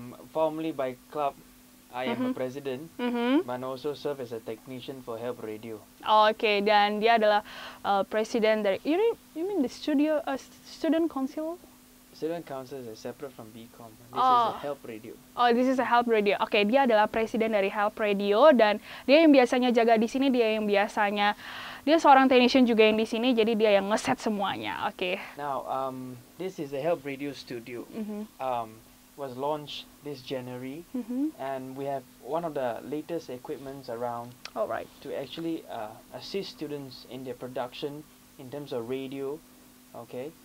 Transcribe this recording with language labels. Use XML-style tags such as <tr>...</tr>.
<en>Formerly by club, I am a president, but also serve as a technician for HELP Radio. Oh, okay.</en> <id>Dan dia adalah president dari.</id> <en>You mean the studio, student council? Student council is separate from BCom. This is a HELP Radio. Oh, this is a HELP Radio.</en> <id>Okay, dia adalah presiden dari HELP Radio dan dia yang biasanya jaga di sini, dia yang biasanya dia seorang technician juga yang di sini, jadi dia yang ngeset semuanya.</id> <en>Okay. Now, this is the HELP Radio Studio. Was launched this January, and we have one of the latest equipments around. All right. To actually assist students in their production in terms of radio. Okay.</en>